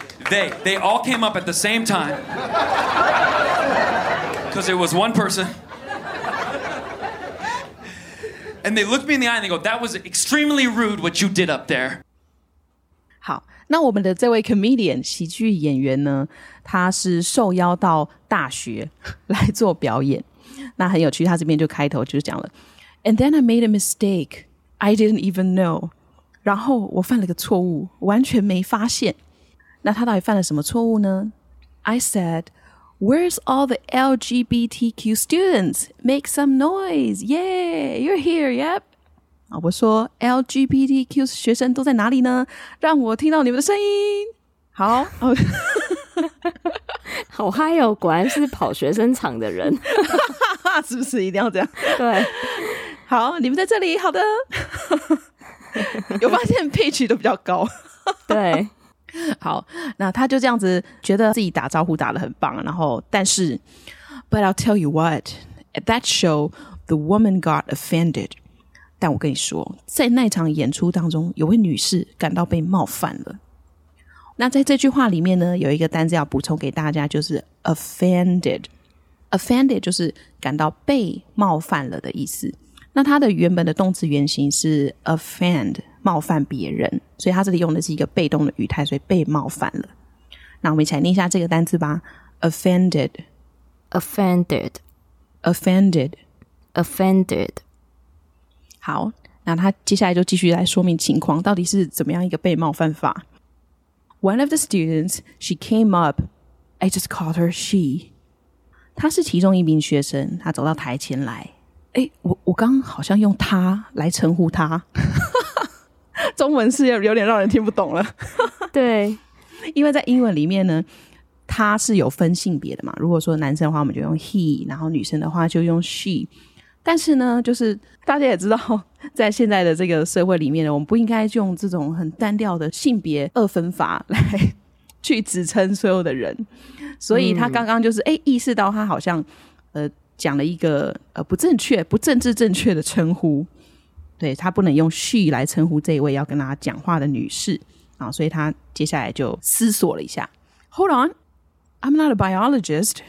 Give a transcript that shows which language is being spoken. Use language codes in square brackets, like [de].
[en] They all came up at the same time. Because it was one person. And they looked me in the eye and they go, that was extremely rude what you did up there. [zh] 好，那我们的这位 comedian 喜剧演员呢，他是受邀到大学来做表演。那很有趣，他这边就开头就讲了 [en] And then I made a mistake. I didn't even know. [zh] 然后我犯了个错误，完全没发现。那他到底犯了什么错误呢？ [en] I said,Where's all the LGBTQ students? Make some noise. Yay, you're here, yep. [zh] 我说 LGBTQ 学生都在哪里呢？让我听到你们的声音。好。好嗨哦，果然是跑学生场的人。是不是一定要这样？对。好，你们在这里，好的。有发现 pitch 都比较高。对。好，那他就这样子觉得自己打招呼打得很棒，然后但是 [en] But I'll tell you what, at that show, the woman got offended. [zh] 但我跟你说，在那场演出当中，有位女士感到被冒犯了。那在这句话里面呢，有一个单字要补充给大家，就是 offended。 Offended 就是感到被冒犯了的意思。那它的原本的动词原形是 offend，冒犯别人，所以他这里用的是一个被动的语态，所以被冒犯了。那我们一起来念一下这个单字吧。 [en] Offended Offended Offended Offended。 [zh] 好，那他接下来就继续来说明情况到底是怎么样一个被冒犯法。 [en] One of the students, she came up, I just called her she. [zh] 他是其中一名学生，他走到台前来，诶，我刚好像用他来称呼他。中文是有点让人听不懂了。对，因为在英文里面呢，它是有分性别的嘛，如果说男生的话我们就用 he， 然后女生的话就用 she。但是呢，就是大家也知道，在现在的这个社会里面呢，我们不应该用这种很单调的性别二分法来去指称所有的人。所以他刚刚就是意识到他好像讲了一个不正确不政治正确的称呼。对，他不能用 she 来称呼这一位要跟他讲话的女士啊，所以他接下来就思索了一下。 [en] Hold on, I'm not a biologist.